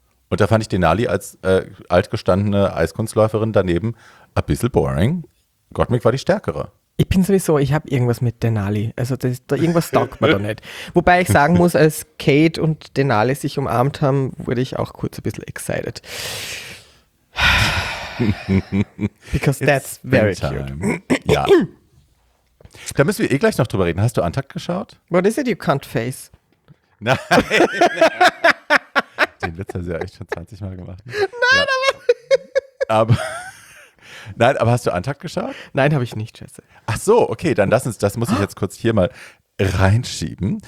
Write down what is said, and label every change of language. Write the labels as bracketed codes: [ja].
[de] Und da fand ich Denali als altgestandene Eiskunstläuferin daneben ein bisschen boring. Gottmik war die stärkere. Ich bin sowieso, ich habe irgendwas mit Denali. Also das, da irgendwas taugt mir da nicht. Wobei ich sagen muss, als Kate und Denali sich umarmt haben, wurde ich auch kurz ein bisschen excited. [en] Because it's that's very cute. [de] Ja. Da müssen wir eh gleich noch drüber reden. Hast du Antakt geschaut? [en] What is it you can't face? [de] Nein. Den Witz hast du ja echt schon 20 Mal gemacht. Nein, ja. Aber hast du Antakt geschaut? Nein, habe ich nicht, Jesse. Ach so, okay, dann lass uns, das muss ich jetzt kurz hier mal reinschieben.